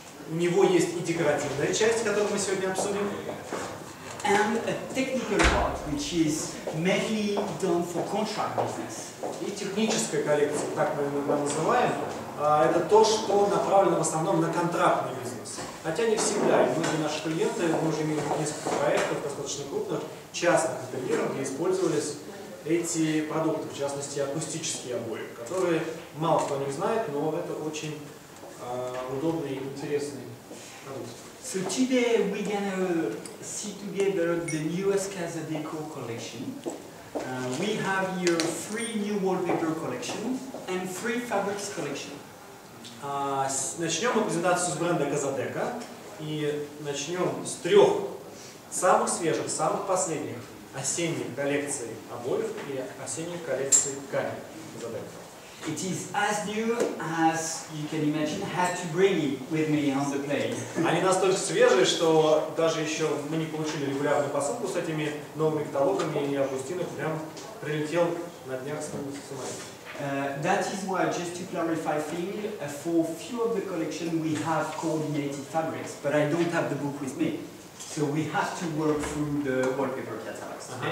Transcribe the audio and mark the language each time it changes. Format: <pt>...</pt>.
<ru>У него есть и декоративная часть, которую мы сегодня обсудим.</ru> <en>And a technical part, which is mainly done for contract business.</en> <ru>И техническая коллекция, так мы ее называем, это то, что направлено в основном на контрактный бизнес. Хотя не всегда. И многие наши клиенты, мы уже имеем несколько проектов, достаточно крупных, частных ательеров, где использовались эти продукты, в частности, акустические обои, которые мало кто не знает, но это очень удобный и интересный продукт.</ru> <en>So today we're gonna see together the newest Casadeco collection. We have here three new wallpaper collections and three fabrics collections.</en> <ru>Начнем мы презентацию с бренда Casadeco и начнем с трех самых свежих, самых последних осенних коллекций обоев и осенних коллекций ткани Casadeco.</ru> <en>It is as new as you can imagine. Had to bring it with me on the plane.</en> <ru>Они настолько свежие, что даже еще мы не получили регулярную посылку с этими новыми каталогами, и Августин прям прилетел на днях с нами.</ru> <en>That is why, just to clarify thing, for few of the collection we have coordinated fabrics, but I don't have the book with me, so we have to work through the wallpaper catalogs.</en>